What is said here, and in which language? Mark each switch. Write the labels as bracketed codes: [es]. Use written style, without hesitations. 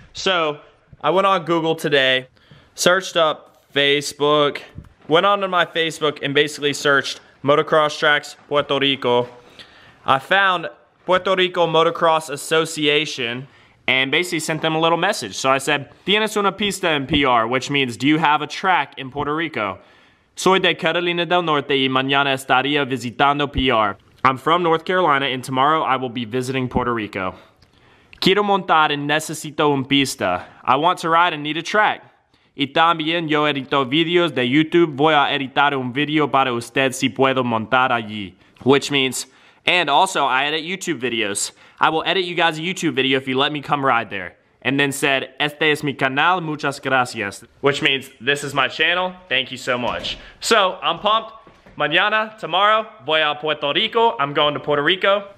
[en] So I went on Google today. Searched up Facebook, went onto my Facebook and basically searched motocross tracks Puerto Rico. I found Puerto Rico Motocross Association and basically sent them a little message. So I said, [es] ¿Tienes una pista en PR? [en] Which means, do you have a track in Puerto Rico? [es] Soy de Carolina del Norte y mañana estaría visitando PR. [en] I'm from North Carolina and tomorrow I will be visiting Puerto Rico. [es] Quiero montar y necesito una pista. [en] I want to ride and need a track. [es] Y también yo edito videos de YouTube, voy a editar un video para usted si puedo montar allí. [en] Which means, and also I edit YouTube videos. I will edit you guys a YouTube video if you let me come ride there. And then said, [es] este es mi canal, muchas gracias. [en] Which means, this is my channel, thank you so much. So, I'm pumped. Mañana, tomorrow, [es] voy a Puerto Rico. [en] I'm going to Puerto Rico.